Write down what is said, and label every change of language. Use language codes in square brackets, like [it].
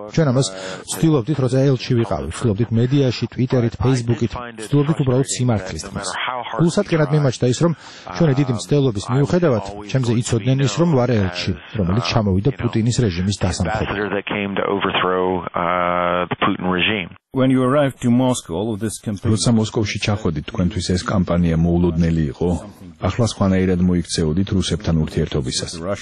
[ka] ჩვენ ამას ვცდილობდით, როცა ელჩი ვიყავი, ვცდილობდით მედიაში, ტვიტერით, ფეისბუქით, ვცდილობდით უბრალოდ სიმართლის თქმას. გულსადგენად მიმაჩნდა ის, რომ ჩვენი დიდი მცდელობის მიუხედავად, ჩემზე იცოდნენ ის, რომ ვარ ელჩი, რომელიც ჩამოვიდა პუტინის რეჟიმის დასამხობად. [en] When you arrived to Moscow, all of this campaign. [ka] როცა მოსკოვში ჩახვედით, თქვენთვის ეს კამპანია მოულოდნელი იყო. ახლა სხვანაირად მოიქცეოდით რუსებთან ურთიერთობისას.